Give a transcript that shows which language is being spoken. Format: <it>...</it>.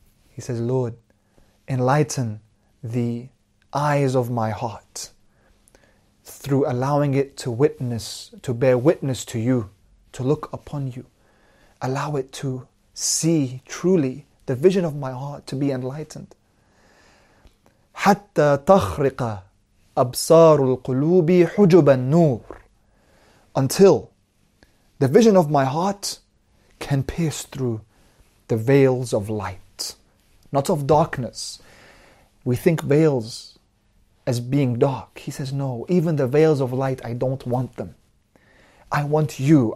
<en>He says, Lord, enlighten the eyes of my heart through allowing it to witness, to bear witness to you, to look upon you. Allow it to see truly the vision of my heart to be enlightened.</en> <ar>حَتَّى تَخْرِقَ أَبْصَارُ الْقُلُوبِ حُجُبَ النُّورِ.</ar> <en>Until the vision of my heart can pierce through the veils of light, not of darkness. We think veils as being dark. He says, no, even the veils of light, I don't want them. I want you.</en>